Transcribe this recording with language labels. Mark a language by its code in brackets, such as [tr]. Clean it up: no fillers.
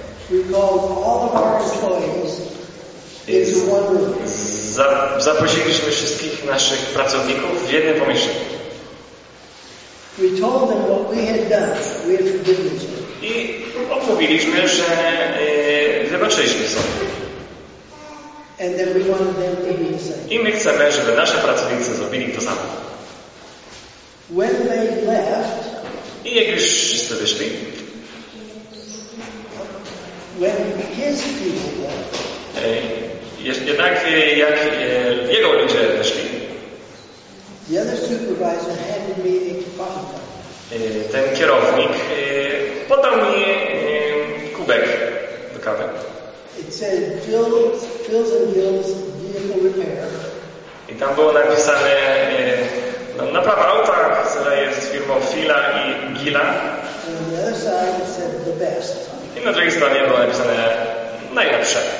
[en] We called all of our employees into one room. [pl] Zaprosiliśmy wszystkich naszych pracowników w jednym pomieszczeniu. [en] We told them what we had done. We had forgiven them. [pl] I opowiedzieliśmy, że wybaczyliśmy sobie. [en] And then we want them to be the same. [pl] I my chcemy, żeby nasze pracownicy zrobili to samo. [en] When they left, [pl] i jak już wszyscy wyszli, [en] when his people left, [pl] jednak jak jego ludzie wyszli, [en] the other supervisor handed me a kubka. [pl] Ten kierownik podał mi kubek do kawy. [en] It said Bills and Bills vehicle repair. [pl] I tam było napisane naprawa auta, która jest firmą Fila i Gila. [en] And on the other side it said the best. [pl] I na drugiej stronie było napisane najlepsze.